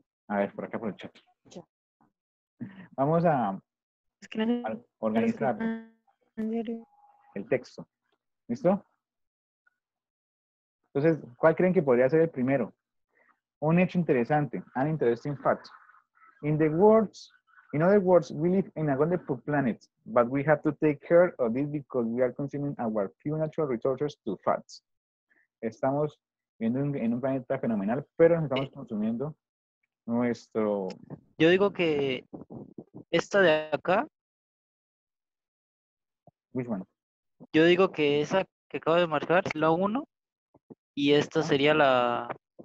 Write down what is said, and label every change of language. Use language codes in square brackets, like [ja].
[es] A ver, por acá por el chat. Vamos a organizar el texto. ¿Listo? Entonces, ¿cuál creen que podría ser el primero? Un hecho interesante. [en] An interesting fact. In other words, we live in a wonderful planet, but we have to take care of this because we are consuming our few natural resources to fats. [es] Estamos viendo en un planeta fenomenal, pero estamos consumiendo nuestro... Yo digo que esta de acá... [en] Which one? [es] Yo digo que esa que acabo de marcar es la 1 y esta sería la...